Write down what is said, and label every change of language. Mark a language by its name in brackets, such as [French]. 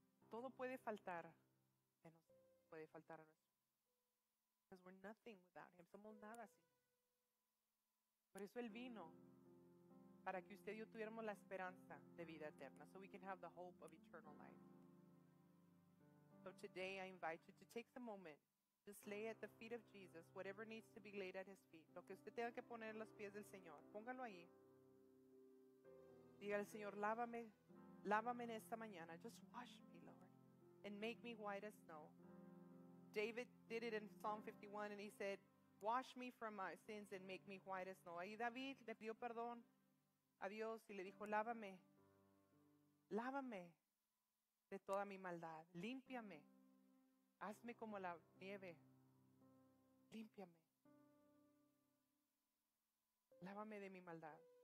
[Spanish] Todo puede faltar. Menos puede faltar a nuestro. [English] Because we're nothing without him. [Spanish] Somos nada sin él. Por eso él vino. Para que usted y yo tuviéramos la esperanza de vida eterna. [English] So we can have the hope of eternal life. So today I invite you to take the moment. Just lay at the feet of Jesus. Whatever needs to be laid at his feet. [Spanish] Lo que usted tenga que poner en los pies del Señor. Póngalo ahí. Diga al Señor, lávame. Lávame en esta mañana. [English] Just wash me, Lord. And make me white as snow. David did it in Psalm 51 and he said, wash me from my sins and make me white as snow. [Spanish] Ahí David le pidió perdón a Dios y le dijo, lávame. Lávame de toda mi maldad. Límpiame. Hazme como la nieve. Límpiame. Lávame de mi maldad.